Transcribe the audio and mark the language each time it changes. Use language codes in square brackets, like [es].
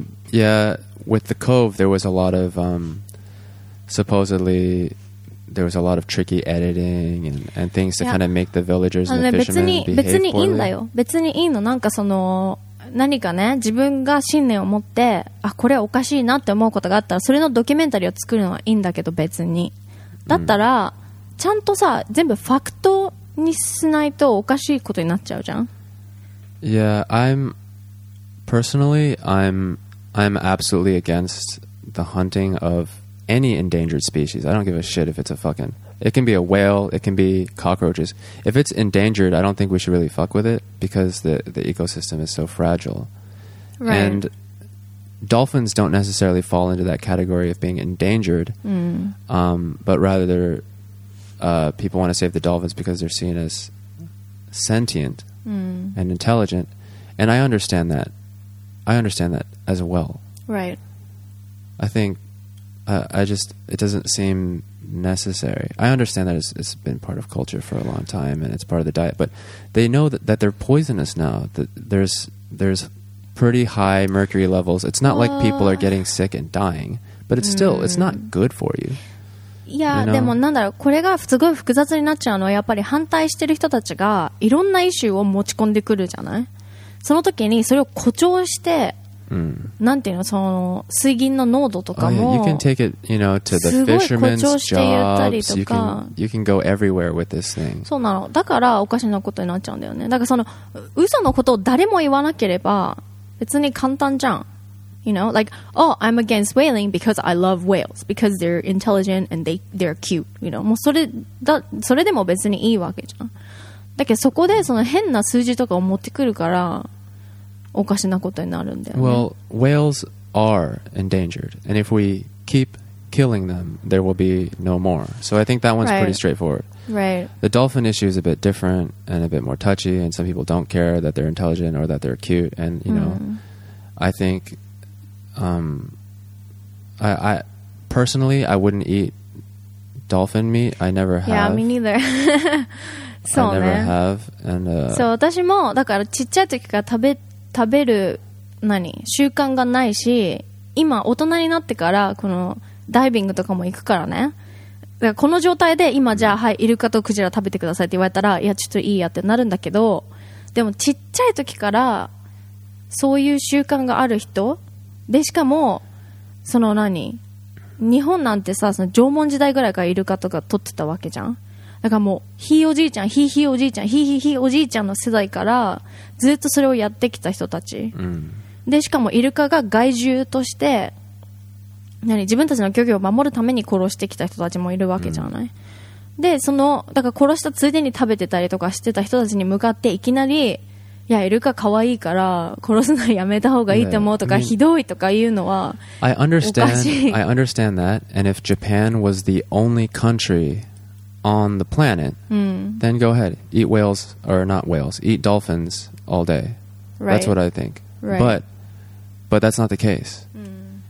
[en] Yeah, with the Cove, there was a lot of, supposedly, there was a lot of tricky editing and things to kind of make the villagers and the fishermen behave poorly. [ja] 別にいいんだよ。別にいいの。なんかその、何かね、自分が信念を持って、あ、これおかしいなって思うことがあったら、それのドキュメンタリーを作るのはいいんだけど、別に。だったら、ちゃんとさ、全部ファクトにしないとおかしいことになっちゃうじゃん。 [en] Yeah, I'm... Personally, I'm absolutely against the hunting of any endangered species. I don't give a shit if it's a fucking... It can be a whale, it can be cockroaches. If it's endangered, I don't think we should really fuck with it because the ecosystem is so fragile. Right. And dolphins don't necessarily fall into that category of being endangered, but rather people want to save the dolphins because they're seen as sentient and intelligent. And I understand that. I understand that as well. Right. I think... it doesn't seem necessary. I understand that it's been part of culture for a long time and it's part of the diet, but they know that they're poisonous now. That there's pretty high mercury levels. It's not like people are getting sick and dying, but it's still, it's not good for you. Yeah, you know? [ja] でもなんだろう、これがすごい複雑になっちゃうのはやっぱり反対してる人たちがいろんなイシューを持ち込んでくるじゃない。その時にそれを誇張して、なんていうの、その水銀の濃度とかも、 [en] oh, yeah. You can take it, you know, to the fisherman's jobs. You can go everywhere with this thing. [ja] そうなの。だからおかしなことになっちゃうんだよね。だからその嘘のことを誰も言わなければ別に簡単じゃん。 [en] You know, like, oh, I'm against whaling because I love whales because they're intelligent and they're cute. [ja] You know, もうそれでも別にいいわけじゃん。だけどそこでその変な数字とかを持ってくるから。おかしなことになるんだよね。 [en] Well, whales are endangered, and if we keep killing them, there will be no more. So I think that one's pretty straightforward. Right. The dolphin issue is a bit different and a bit more touchy, and some people don't care that they're intelligent or that they're cute. And you know, I think, I personally, I wouldn't eat dolphin meat. I never have. Yeah, me neither. So I never have. And [ja] so 私もだからちっちゃい時から食べる何習慣がないし、今大人になってからこのダイビングとかも行くからね。だからこの状態で今じゃあはいイルカとクジラ食べてくださいって言われたら、いやちょっといいやってなるんだけど、でもちっちゃい時からそういう習慣がある人で、しかもその何、日本なんてさ、その縄文時代ぐらいからイルカとか取ってたわけじゃん。だからもうひいおじいちゃん、ひいひいおじいちゃん、ひいひいおじいちゃんの世代からずっとそれをやってきた人たち、でしかもイルカが害獣として何、自分たちの漁業を守るために殺してきた人たちもいるわけじゃない、でそのだから殺したついでに食べてたりとかしてた人たちに向かっていきなり、いやイルカ可愛いから殺すのやめた方がいいと思うとか、ひどいとか言うのはおかしい。 [en] I understand that, and if Japan was the only country on the planet, then go ahead. Eat whales, or not whales, eat dolphins all day. Right. That's what I think. Right. But that's not the case. Mm.